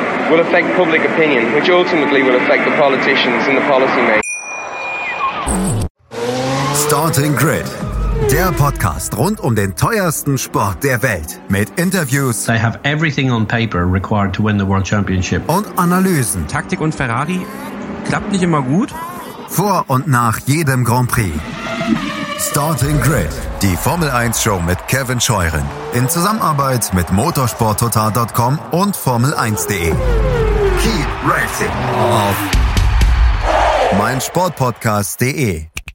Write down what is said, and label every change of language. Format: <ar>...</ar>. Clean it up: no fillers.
<en>Will affect public opinion, which ultimately will affect the politicians and the policymakers. Starting Grid.</en> <de>Der Podcast rund um den teuersten Sport der Welt mit Interviews.</de> <en>They have everything on paper required to win the world championship.</en> <de>Und Analysen. Taktik und Ferrari klappt nicht immer gut. Vor und nach jedem Grand Prix. Starting Grid, die Formel 1 Show mit Kevin Scheuren. In Zusammenarbeit mit motorsporttotal.com und formel1.de. Keep racing auf meinsportpodcast.de.</de>